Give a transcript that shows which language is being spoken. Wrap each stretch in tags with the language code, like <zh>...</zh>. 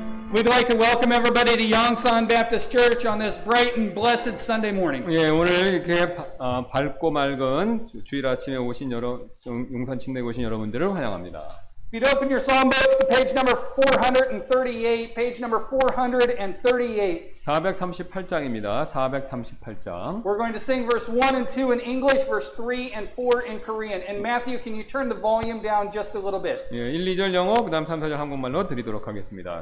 <en>We'd like to welcome everybody to Yongsan Baptist Church on this bright and blessed Sunday morning.</en> <ko>예, 오늘 이렇게 밝고 맑은 주일 아침에 오신 여러분, 용산 침례에 오신 여러분들을 환영합니다.</ko> <en>If you'd open your psalm books to page number 438, page number 438.</en> <ko>438장입니다. 438장.</ko> <en>We're going to sing verse 1 and 2 in English, verse 3 and 4 in Korean. And Matthew, can you turn the volume down just a little bit?</en> <ko>예, 1, 2절 영어, 그 다음 3, 4절 한국말로 드리도록 하겠습니다.</ko>